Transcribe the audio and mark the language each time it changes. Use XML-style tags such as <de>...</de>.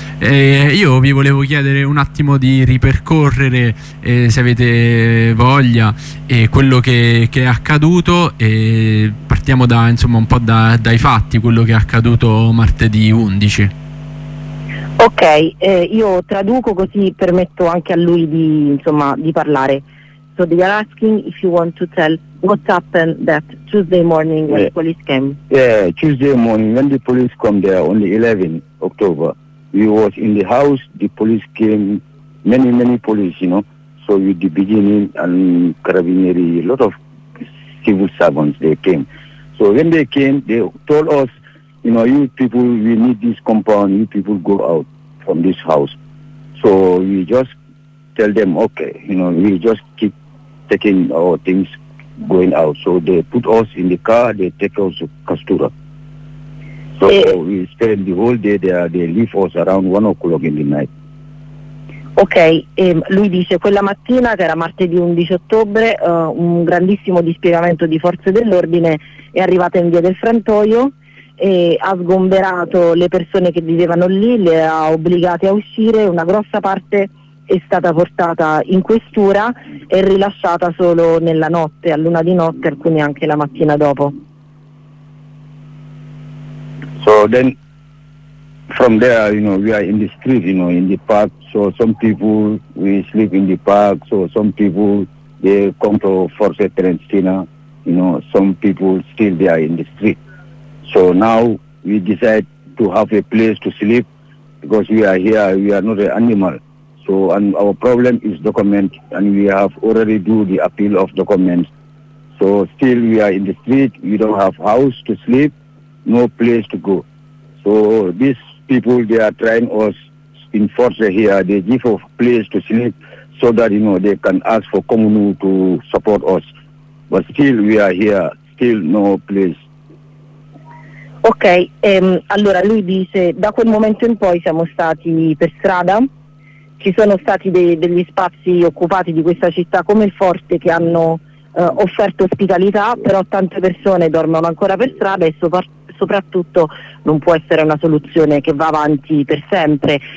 <it>E io vi volevo chiedere un attimo di ripercorrere, se avete voglia, quello che è accaduto, e partiamo da insomma un po' dai fatti, quello che è accaduto martedì 11. Ok, io traduco, così permetto anche a lui di insomma di parlare.</it> <en>So they are asking if you want to tell what happened that Tuesday morning when the police came. Yeah, Tuesday morning when the police come there on the 11 October. We was in the house, the police came, many police, you know. So with the beginning and carabinieri, a lot of civil servants, they came. So when they came, they told us, you know, you people, we need this compound, you people go out from this house. So we just tell them, okay, you know, we just keep taking our things going out. So they put us in the car, they take us to Kastura. So we spend the whole day there, they leave us around 1 o'clock in the night.</en> <it>Ok, lui dice quella mattina, che era martedì 11 ottobre, un grandissimo dispiegamento di forze dell'ordine è arrivato in Via del Frantoio e ha sgomberato le persone che vivevano lì, le ha obbligate a uscire, una grossa parte è stata portata in questura e rilasciata solo nella notte, all'una di notte, alcuni anche la mattina dopo.</it> <en>So then from there, you know, we are in the street, you know, in the park. So some people, we sleep in the park. So some people, they come to Forza Trentina, you know, some people still they are in the street. So now we decide to have a place to sleep, because we are here, we are not an animal. So and our problem is document, and we have already do the appeal of documents. So still we are in the street, we don't have house to sleep, no place to go. So this people, they are trying us in force here, they give a place to sleep so that, you know, they can ask for communal to support us. But still we are here, still no place.</en> <it>Ok, allora lui dice, da quel momento in poi siamo stati per strada, ci sono stati degli spazi occupati di questa città come il Forte, che hanno offerto ospitalità, però tante persone dormono ancora per strada e soprattutto non può essere una soluzione che va avanti per sempre.</it>